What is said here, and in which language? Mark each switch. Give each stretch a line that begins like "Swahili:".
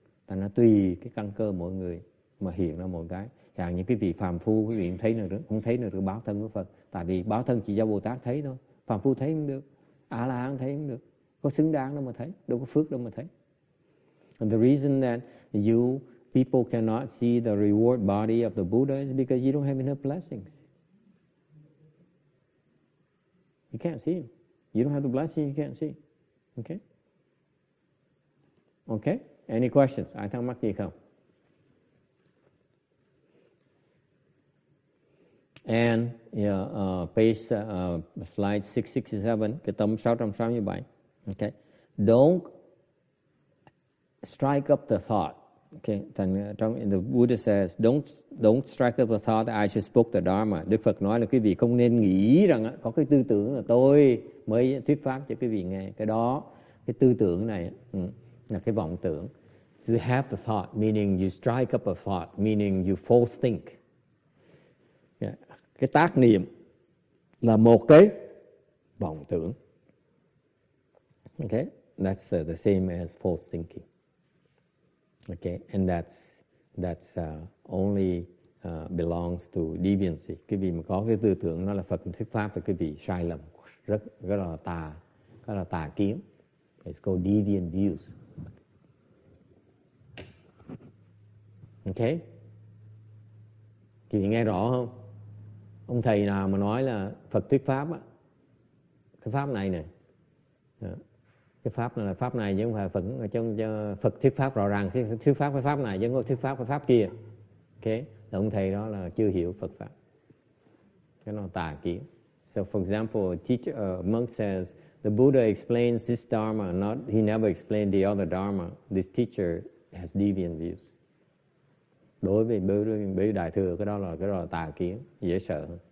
Vietnamese: Tại nó tùy cái căn cơ mỗi người mà hiện ra mỗi cái. Chẳng những cái vị phàm phu quý vị không thấy được báo thân của Phật, tại vì báo thân chỉ do Bồ Tát thấy thôi, phàm phu thấy không được, A-la-hán thấy không được, có xứng đáng đâu mà thấy, đâu có phước đâu mà thấy.
English: And the reason that people cannot see the reward body of the Buddha is because you don't have enough blessings. You can't see him. You don't have the blessing, you can't see. Okay? Okay? Any questions? I thank Mark Yikam. And page slide 667,
Vietnamese: cái tâm
English: 667. Okay? Don't strike up the thought. Okay? Then the Buddha says, don't strike up the thought that I just spoke the Dharma.
Vietnamese: Đức Phật nói là quý vị không nên nghĩ rằng có cái tư tưởng là tôi mới thuyết pháp cho quý vị nghe. Cái đó, cái tư tưởng này là cái vọng tưởng.
English: You have the thought, meaning you strike up a thought, meaning you false think.
Vietnamese: Cái tác niệm là một cái vọng tưởng.
English: Okay, that's the same as false thinking. Okay, and that's only belongs to deviancy.
Vietnamese: Quý vị mà có cái tư tưởng nó là Phật thuyết pháp thì quý vị sai lầm rất là tà kiến.
English: It's called deviant views.
Vietnamese: Okay, quý vị nghe rõ không? Ông thầy nào mà nói là Phật thuyết pháp á, cái pháp này nè, cái pháp này là pháp này chứ không phải Phật, chứ Phật thuyết pháp rõ ràng, thuyết pháp cái pháp này chứ không phải thuyết pháp cái pháp kia. Okay, là ông thầy đó là chưa hiểu Phật pháp, cái nó tà kiến.
English: So for example, a monk says the Buddha explains this dharma, not he never explained the other dharma. This teacher has deviant views.
Vietnamese: Đối với bởi đại thừa, cái đó là tà kiến, dễ sợ.